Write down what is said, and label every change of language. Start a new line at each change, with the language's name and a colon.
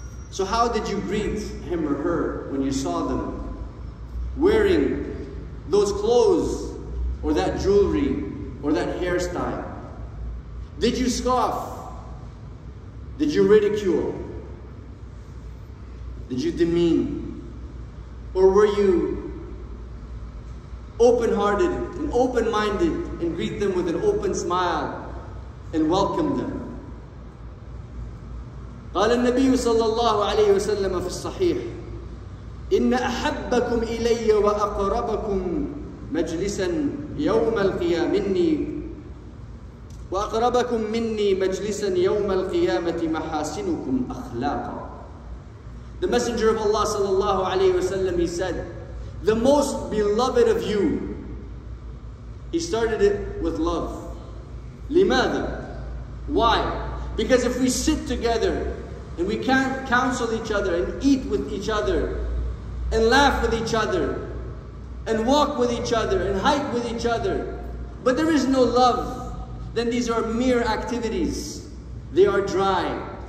English: So how did you greet him or her when you saw them wearing those clothes or that jewelry or that hairstyle? Did you scoff? Did you ridicule? Did you demean? Or were you open-hearted and open-minded and greet them with an open smile and welcome them?
Arabic: قال النبي صلى الله عليه وسلم في الصحيح إن أحبكم إلي وأقربكم مجلسا يوم القيامة مني وأقربكم مني مجلسا يوم القيامة محاسنكم أخلاقا.
English: The Messenger of Allah
Arabic: صلى الله عليه وسلم,
English: he said, the most beloved of you. He started it with love.
Arabic: لماذا?
English: Why? Because if we sit together and we can't counsel each other and eat with each other and laugh with each other and walk with each other and hike with each other, but there is no love, then these are mere activities. They are dry.